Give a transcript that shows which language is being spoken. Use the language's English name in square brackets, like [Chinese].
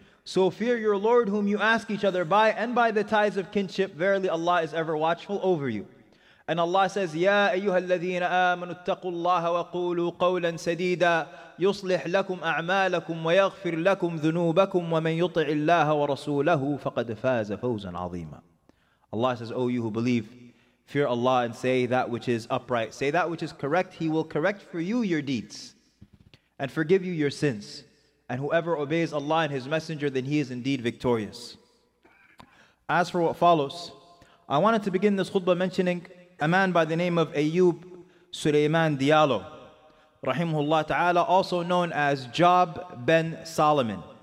[English] So fear your Lord whom you ask each other by, and by the ties of kinship. Verily Allah is ever watchful over you. And Allah says, [Arabic] يَا أَيُّهَا الَّذِينَ آمَنُوا اتَّقُوا اللَّهَ وَقُولُوا قَوْلًا سَدِيدًا يُصْلِحْ لَكُمْ أَعْمَالَكُمْ وَيَغْفِرْ لَكُمْ ذُنُوبَكُمْ وَمَنْ يُطِعِ اللَّهَ وَرَسُولَهُ فَقَدْ فَازَ فَوْزًا عَظِيمًا. [English] Allah says, O you who believe, fear Allah and say that which is upright. Say that which is correct. He will correct for you your deeds and forgive you your sins. And whoever obeys Allah and His Messenger, then he is indeed victorious. As for what follows, I wanted to begin this khutbah mentioning a man by the name of Ayyub Sulaiman Diallo, rahimahullah ta'ala, also known as Job Ben Solomon.